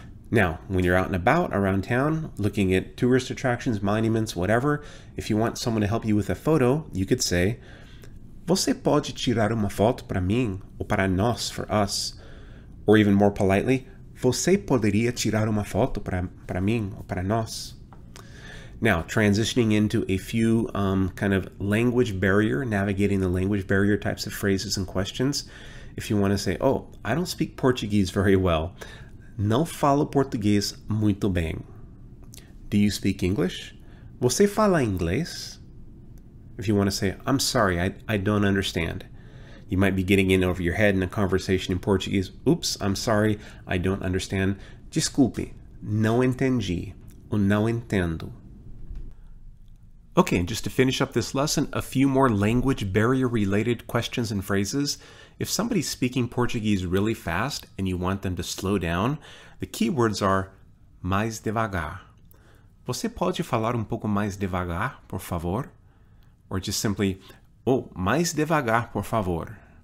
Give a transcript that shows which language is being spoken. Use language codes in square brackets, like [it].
[en] Now, when you're out and about around town, looking at tourist attractions, monuments, whatever, if you want someone to help you with a photo, you could say, [pt] você pode tirar uma foto para mim ou para nós, [en] for us? Or even more politely, [pt] você poderia tirar uma foto para mim ou para nós? [en] Now, transitioning into a few kind of language barrier, navigating the language barrier types of phrases and questions. If you want to say, oh, I don't speak Portuguese very well. [pt] Não falo português muito bem. [en] Do you speak English? [pt] Você fala inglês? [en] If you want to say, I'm sorry, I don't understand. You might be getting in over your head in a conversation in Portuguese. Oops, I'm sorry, I don't understand. [pt] Desculpe, não entendi. Ou não entendo. [en] Okay, and just to finish up this lesson, a few more language barrier related questions and phrases. If somebody's speaking Portuguese really fast and you want them to slow down, the key words are [pt] mais devagar. Você pode falar pouco mais devagar, por favor? [en] Or just simply, oh, [pt] mais devagar, por favor.